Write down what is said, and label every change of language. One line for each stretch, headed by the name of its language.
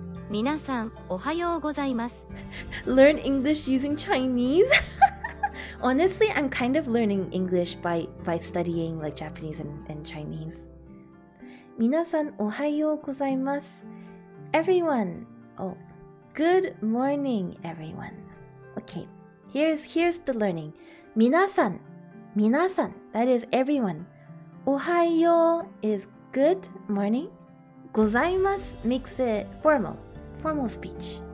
Japanese: 皆さん、おはようございます。
English: Learn English using Chinese? Honestly, I'm kind of learning English by studying like Japanese and Chinese.
Japanese: 皆さん、おはようございます。
English: Everyone! Oh, good morning, everyone. Okay, here's the learning.
Japanese: 皆さん皆さん
English: that is everyone. おはよう is good morning. ございます makes it formal speech.